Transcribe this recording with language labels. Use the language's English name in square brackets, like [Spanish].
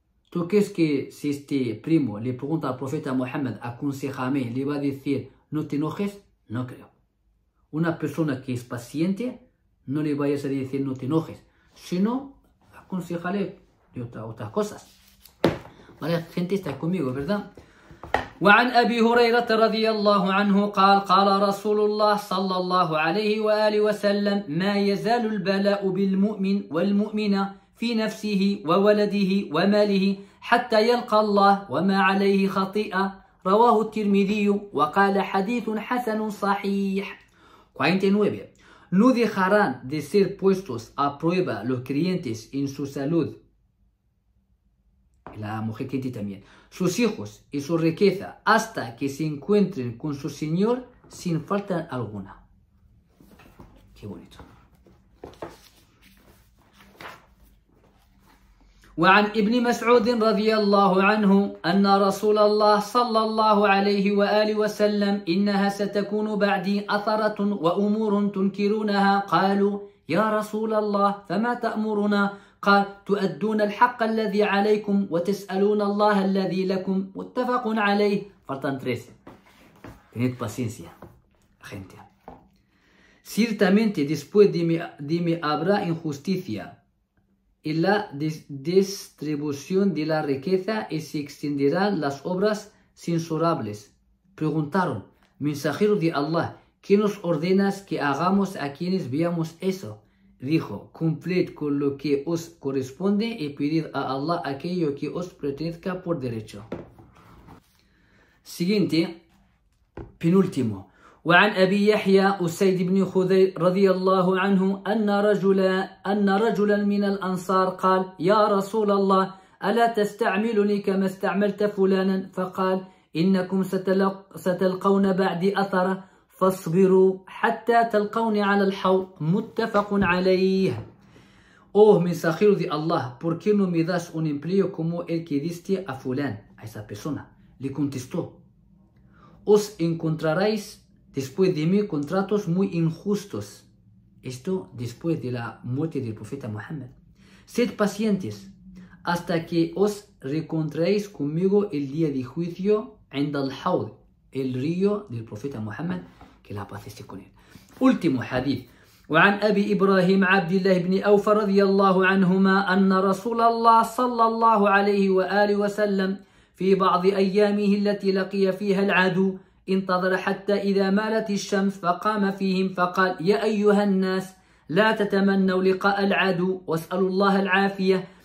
[Spanish] ¿Tú crees que si este primo le pregunta al profeta Muhammad, aconséjame, le va a decir, no te enojes? No creo. Una persona que es paciente, no le vayas a decir, no te enojes. Sino, aconsejale de otras cosas. Vale, gente, está conmigo, ¿verdad? [Arabic] وعن أبي هريرة رضي الله عنه قال قال رسول الله صلى الله عليه وآله وسلم ما يزال البلاء بالمؤمن والمؤمنة في نفسه وولده وماله حتى يلقى الله وما عليه خطيئة رواه الترمذي وقال حديث حسن صحيح 49 No dejarán de ser puestos a prueba los creyentes en su salud. La mujer creyente también. Sus hijos y su riqueza hasta que se encuentren con su Señor sin falta alguna. Qué bonito. وعن ابن مسعود رضي الله عنه أن رسول الله صلى الله عليه وآله وسلم إنها ستكون بعدي أثرة وأمور تنكرونها قالوا يا رسول الله فما تأمرنا قال تؤدون الحق الذي عليكم وتسألون الله الذي لكم متفق عليه فرطان تريس تنيت باسينسيا أخينتيا Ciertamente después de mi habrá injusticia y la distribución de la riqueza y se extenderán las obras censurables. [Spanish] Preguntaron, mensajero de Allah, ¿qué nos ordenas que hagamos a quienes veamos eso? Dijo, cumplid con lo que os corresponde y pedid a Allah aquello que os pertenezca por derecho. Siguiente, penúltimo. [Arabic] وعن أبي يحيى أسيد بن خذي رضي الله عنه أن رجلا من الأنصار قال يا رسول الله ألا تستعملني كما استعملت فلانا فقال إنكم ستلقون بعد أثر فاصبروا حتى تلقوني على الحوض متفق عليه [Spanish] Oh, mensajero de Allah, ¿por qué no me das un empleo como el que diste a fulán? A esa persona le contestó. Os encontraréis después de mí contratos muy injustos. Esto después de la muerte del profeta Muhammad. Sed pacientes hasta que os reencontréis conmigo el día de juicio en Dalhaud, el río del profeta Muhammad, que la paz esté con él. Último hadith. [Arabic] وعن أبي إبراهيم عبد الله بن أوف رضي الله عنهما أن رسول الله صلى الله عليه وآله وسلم في بعض أيامه التي لقي فيها العدو انتظر حتى إذا مالت الشمس فقام فيهم فقال يا أيها الناس لا تتمنوا لقاء العدو واسألوا الله العافية